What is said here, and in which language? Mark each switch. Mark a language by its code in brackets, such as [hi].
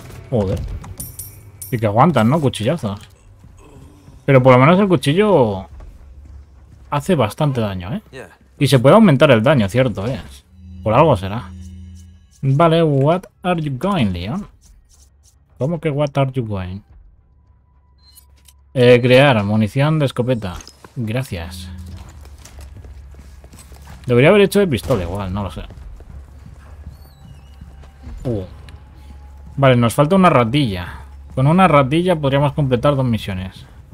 [es] Joder. Y que aguantan, ¿no? Cuchillazos. Pero por lo menos el cuchillo hace bastante daño, ¿eh? Y se puede aumentar el daño, cierto es. Por algo será. Vale, [en] what are you going, Leon? [es] ¿Cómo que [en] what are you going? [es] Crear munición de escopeta. Gracias. Debería haber hecho de pistola igual, no lo sé. Vale, nos falta una ratilla. Con una ratilla podríamos completar dos misiones.